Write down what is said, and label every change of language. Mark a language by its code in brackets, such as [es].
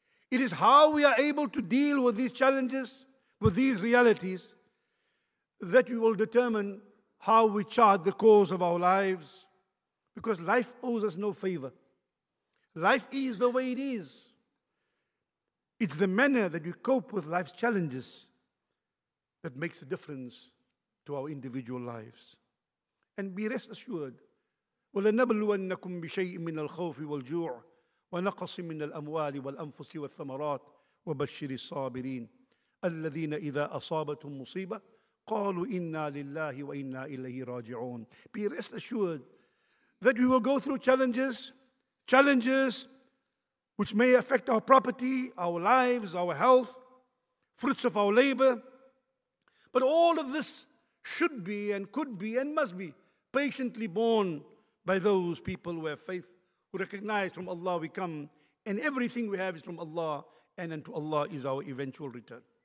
[en] It is how we are able to deal with these challenges, with these realities, that we will determine how we chart the course of our lives. Because life owes us no favor. Life is the way it is. It's the manner that we cope with life's challenges that makes a difference to our individual lives. [ar] And be rest assured, وَلَنَبْلُوَنَّكُمْ بِشَيْءٍ مِّنَ الْخَوْفِ وَالْجُوعِ وَنَقَصٍ مِّنَ الْأَمْوَالِ وَالْأَنفُسِ وَالثَّمَرَاتِ وَبَشِّرِ الصَّابِرِينَ الَّذِينَ إِذَا أَصَابَتْهُمْ مُصِيبَةٌ قَالُوا إِنَّا لِلَّهِ وَإِنَّا إِلَيْهِ رَاجِعُونَ. [en] Be rest assured that we will go through challenges, challenges which may affect our property, our lives, our health, fruits of our labor. But all of this should be and could be and must be patiently borne by those people who have faith, who recognize from Allah we come, and everything we have is from Allah, and unto Allah is our eventual return.